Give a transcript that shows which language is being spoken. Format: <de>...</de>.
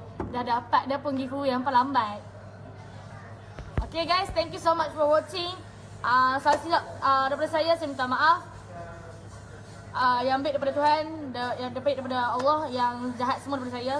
<ms>Dah dapat dah pun giveaway yang perlambat.</ms> <en>Okay guys, thank you so much for watching.</en> <ms>Daripada saya minta maaf. Yang baik daripada Tuhan, yang baik daripada Allah, yang jahat semua daripada saya.</ms>